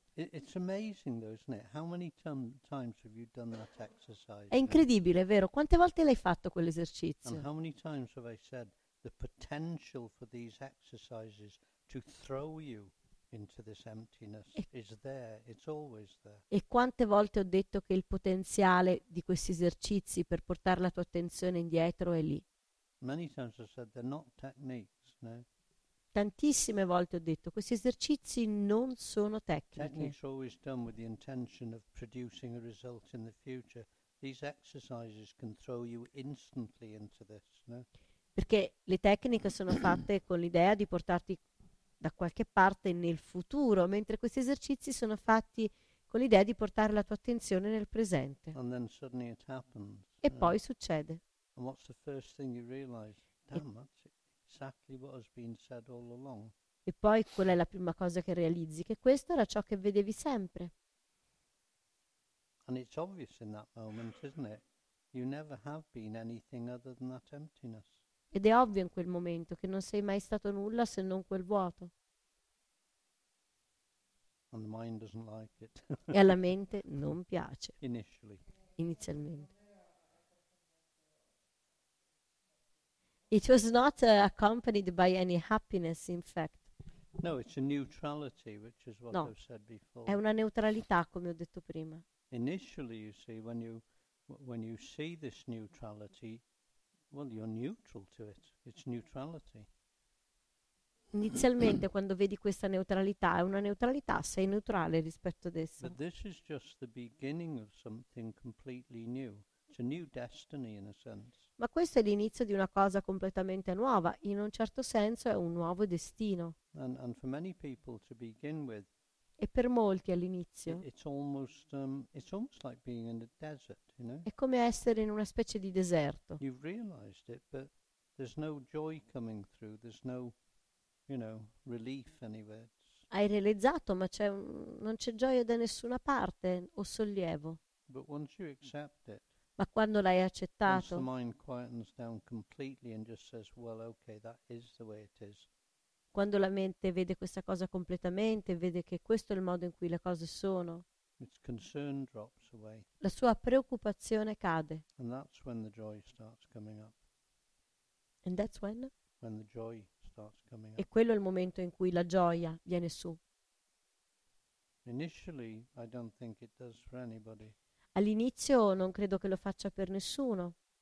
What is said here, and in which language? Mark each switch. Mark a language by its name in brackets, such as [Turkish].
[English] It's amazing, though, isn't it? How many times have you done that exercise? [Italian] È incredibile, vero? Quante volte l'hai fatto quell'esercizio? [English] And how many times have I said the potential for these exercises to throw you into this emptiness is there, it's always there. [Italian] E quante volte ho detto che il potenziale di questi esercizi per portare la tua attenzione indietro è lì. [English] Many times I said they're not techniques, no? [Italian] Tantissime volte ho detto questi esercizi non sono tecniche. [English] Techniques are always done with the intention of producing a result in the future. These exercises can throw you instantly into this, no? [Italian] Perché le tecniche sono fatte con l'idea di portarti da qualche parte nel futuro, mentre questi esercizi sono fatti con l'idea di portare la tua attenzione nel presente. [English] And then suddenly it happens, [Italian] e poi succede. [English] And what's the first thing you realize? Damn, that's exactly what has been said all along. [Italian] E poi qual è la prima cosa che realizzi? Che questo era ciò che vedevi sempre. [English] And it's obvious in that moment, isn't it? You never have been anything other than that emptiness. [Italian] Ed è ovvio in quel momento che non sei mai stato nulla se non quel vuoto. [English] And the mind doesn't like it. [Italian] E alla mente non piace. [English] Initially. [Italian] Inizialmente. [English] It was not accompanied by any happiness, in fact. No, it's a neutrality, which is what I've said before. [Italian] È una neutralità, come ho detto prima. [English] Initially, you see, when you see this neutrality, well, you're neutral to it. It's neutrality. [Italian] Inizialmente, quando vedi questa neutralità, è una neutralità, sei neutrale rispetto ad essa. [English] But this is just the beginning of something completely new. It's a new destiny, in a sense. [Italian] Ma questo è l'inizio di una cosa completamente nuova. In un certo senso è un nuovo destino. [English] And for many people to begin with, [Italian] e per molti all'inizio [English] it's almost like being in a desert, you know? [Italian] È come essere in una specie di deserto. [English] You've realized it, but there's no joy coming through, there's no, you know, relief anywhere. [Italian] Hai realizzato, ma non c'è gioia da nessuna parte o sollievo. [English] But once you accept it, [Italian] Ma quando l'hai accettato, [English] the mind quietens down completely and just says, well, okay, that is the way it is. [Italian] Quando la mente vede questa cosa completamente, vede che questo è il modo in cui le cose sono, [English] its concern drops away. [Italian] La sua preoccupazione cade. [English] And that's when the joy starts coming up. And that's when? When the joy starts coming up. [Italian] E quello è il momento in cui la gioia viene su. [English] Initially, I don't think it does for anybody. [Italian] All'inizio non credo che lo faccia per nessuno.